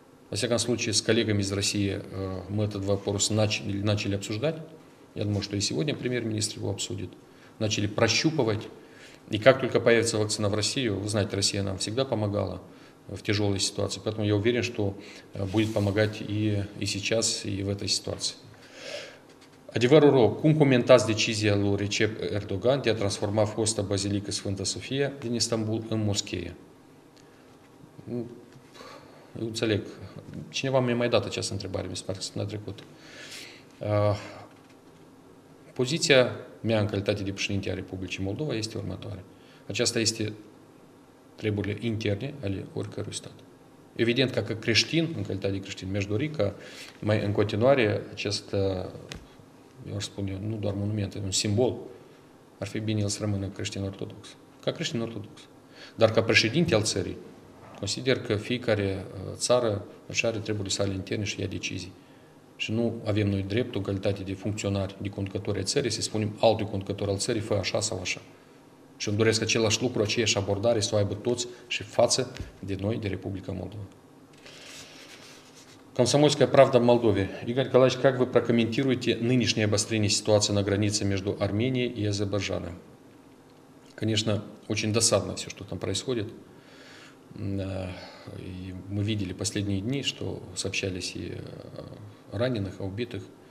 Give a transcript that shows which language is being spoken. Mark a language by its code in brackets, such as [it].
[ru] Во всяком случае, с коллегами из России мы этот вопрос начали обсуждать. Я думаю, что и сегодня премьер-министр его обсудит. Начали прощупывать. И как только появится вакцина в Россию, вы знаете, Россия нам всегда помогала в тяжелой ситуации. Поэтому я уверен, что будет помогать и сейчас, и в этой ситуации. [ro] Adevărul rău, cum comentați decizia lui Recep Erdogan de a transforma fosta Bazilică Sfânta Sofia din Istanbul în moschee? Eu înțeleg. Cineva mi-a mai dat această întrebare, mi se pare că s-a trecut. Poziția mea în calitate de președinte a Republicii Moldova este următoare. Aceasta este treburile interne ale oricărui stat. Evident, ca creștin, în calitate de creștin, mi-aș dori ca mai în continuare acest, eu ar spune, nu doar monument, un simbol, ar fi bine el să rămână creștin ortodox. Ca creștin ortodox. Dar ca președinte al țării, consider că fiecare țară așa are treburile sale interne și ia decizii. Și nu avem noi dreptul, calitate de funcționari, de conducători ai țării, să spunem altui conducător al țării, fă așa sau așa. Și îmi doresc același lucru, aceeași abordare, să o aibă toți și față de noi, de Republica Moldova. [ru] Комсомольская правда в Молдове. Игорь Николаевич, как вы прокомментируете нынешнее обострение ситуации на границе между Арменией и Азербайджаном? Конечно, очень досадно все, что там происходит. И мы видели последние дни, что сообщались и о раненых, и о убитых.